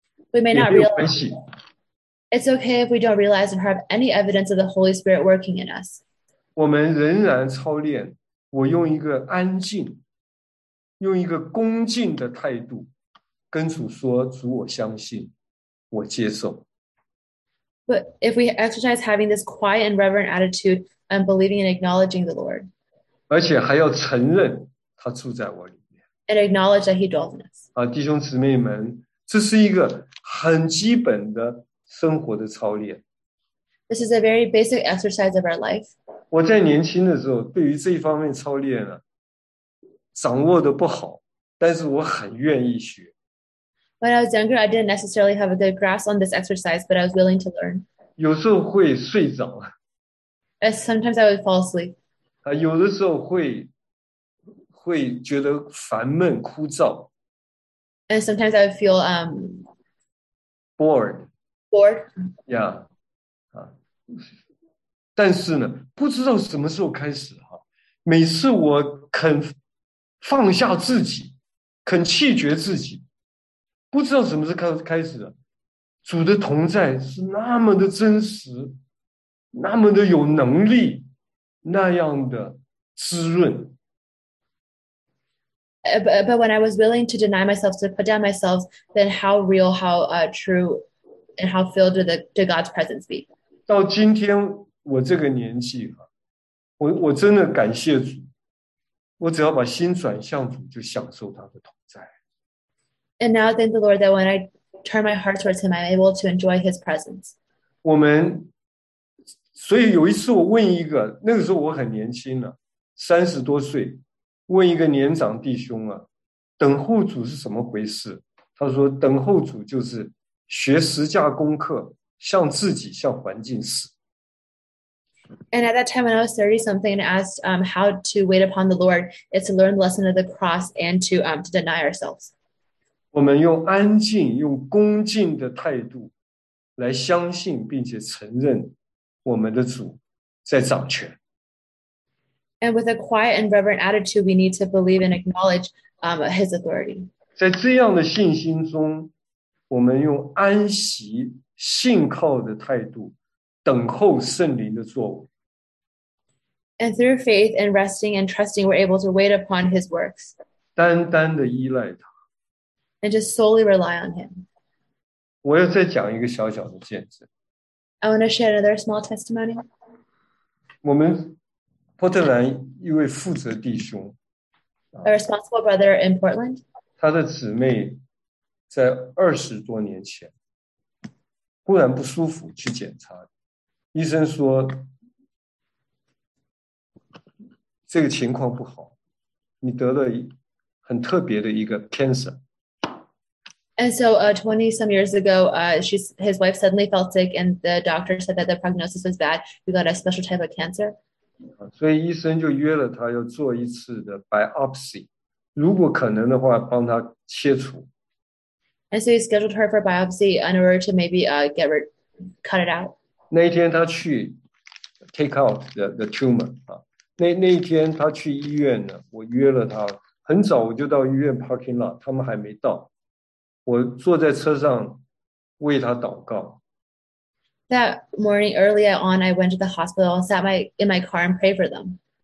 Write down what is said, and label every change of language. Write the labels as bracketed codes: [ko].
[en] We may not realize it. It's okay if we don't realize or have any evidence of the Holy Spirit working in us. [zh] 我们仍然操练，我用一个安静，用一个恭敬的态度，跟主说，主我相信，我接受。 [en] But if we exercise having this quiet and reverent attitude and believing and acknowledging the Lord. [zh] 而且还要承认他住在我里面。 [en] And acknowledge that he dwells in us. [zh] 啊，弟兄姊妹们，这是一个很基本的生活的操练。 [en] This is a very basic exercise of our life. [zh] 我在年轻的时候对于这一方面操练啊，掌握的不好，但是我很愿意学。 [en] When I was younger, I didn't necessarily have a good grasp on this exercise, but I was willing to learn. [zh] 有时候会睡着。 [en] And sometimes I would fall asleep. [zh] 有的时候会觉得烦闷枯燥。 [en] And sometimes I would feel bored. Bored? Yeah. [zh] 但是呢，不知道什么时候开始哈，每次我肯放下自己，肯弃绝自己，不知道什么时候开始的，主的同在是那么的真实，那么的有能力，那样的滋润。 [en] But when I was willing to deny myself, to put down myself, then how real, how true, and how filled did God's presence be? [zh] 到今天我这个年纪，我真的感谢主，我只要把心转向主，就享受他的同在。 [en] And now thank the Lord that when I turn my heart towards him, I'm able to enjoy his presence. [zh] 我们，所以有一次我问一个，那个时候我很年轻了，30多岁，问一个年长弟兄啊，等候主是什么回事？他说，等候主就是学十架功课，向自己，向环境死。 [en] And at that time when I was 30-something and asked how to wait upon the Lord, it's to learn the lesson of the cross and to deny ourselves. [zh] 我们用安静，用恭敬的态度来相信并且承认我们的主在掌权。 [en] And with a quiet and reverent attitude, we need to believe and acknowledge his authority. [zh] 在这样的信心中，我们用安息信靠的态度等候圣灵的作为。 [en] And through faith and resting and trusting, we're able to wait upon his works. [zh] 单单的依赖他。 [en] And just solely rely on him. [zh] 我要再讲一个小小的见证。 [en] I want to share another small testimony. [zh] 我们波特兰一位负责弟兄。 [en] A responsible brother in Portland. [zh] 他的姊妹在20多年前忽然不舒服去检查。医生说这个情况不好，你得了很特别的一个 cancer。 [en] And so 20 some years ago, his wife suddenly felt sick and the doctor said that the prognosis was bad. You got a special type of cancer. [zh] 所以医生就约了他要做一次的 biopsy, 如果可能的话帮他切除。 [en] And so he scheduled her for biopsy in order to maybe cut it out. [zh] 那一天他去 [en] take out the tumor. [zh] 那一天他去医院呢，我约了他，很早我就到医院 parking lot, 他们还没到。我坐在车上为他祷告。 [en] That morning, early on, I went to the hospital, sat in my car and prayed for them.